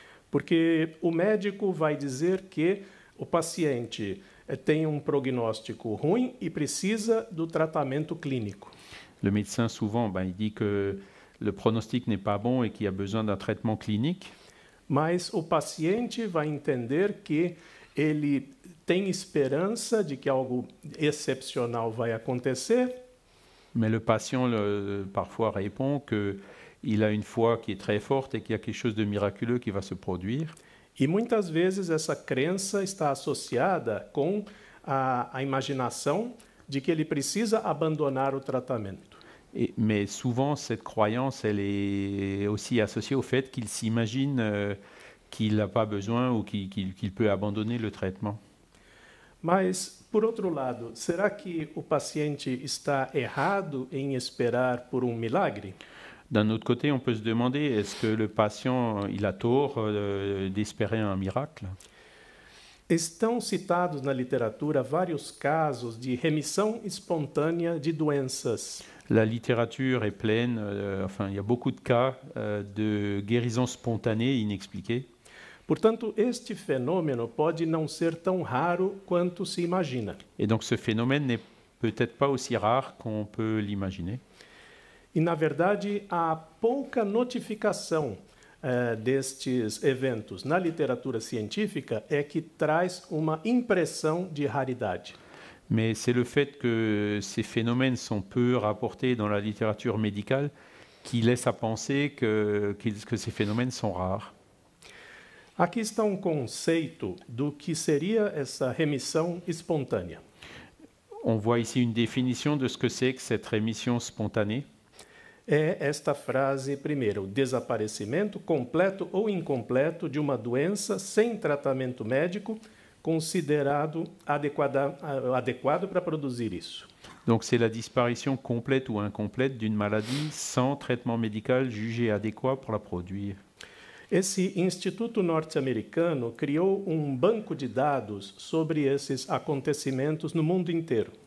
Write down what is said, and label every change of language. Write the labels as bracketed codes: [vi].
[pt] Porque o médico vai dizer que o paciente tem prognóstico ruim e precisa do tratamento clínico. [fr] Le médecin, souvent, il dit que le pronostic n'est pas bon et qu'il y a besoin d'un traitement clinique. [pt] Mas o paciente vai entender que ele tem esperança de que algo excepcional vai acontecer. [fr] Mais le patient, parfois, répond que il a une foi qui est très forte et qu'il y a quelque chose de miraculeux qui va se produire. [pt] E muitas vezes essa crença está associada com a imaginação de que ele precisa abandonar o tratamento. [fr] Et, mais souvent cette croyance elle est aussi associée au fait qu'il s'imagine qu'il n'a pas besoin ou qu'il peut abandonner le traitement. [pt] Mas por outro lado, será que o paciente está errado em esperar por um milagre? [fr] D'un autre côté, on peut se demander, est-ce que le patient, il a tort d'espérer un miracle? [pt] Estão citados na literatura vários casos de remissão espontânea de doenças. [fr] La littérature est pleine, enfin, il y a beaucoup de cas de guérison spontanée inexpliquée. [pt] Portanto, este fenômeno pode não ser tão raro quanto se imagina. [fr] Et donc, ce phénomène n'est peut-être pas aussi rare qu'on peut l'imaginer. [pt] E, na verdade, há pouca notificação destes eventos na literatura científica é que traz uma impressão de raridade. [fr] Mais c'est le fait que ces phénomènes sont peu rapportés dans la littérature médicale qui laisse à penser que ces phénomènes sont rares. [pt] Aqui está um conceito do que seria essa remissão espontânea. [fr] On voit ici une définition de ce que c'est que cette rémission spontanée. [pt] É esta frase primeiro, desaparecimento completo ou incompleto de uma doença sem tratamento médico considerado adequado para produzir isso. [fr] Donc c'est la disparition complète ou incomplète d'une maladie sans traitement médical jugé adéquat pour la produire. [pt] Esse instituto norte-americano criou um banco de dados sobre esses acontecimentos no mundo inteiro.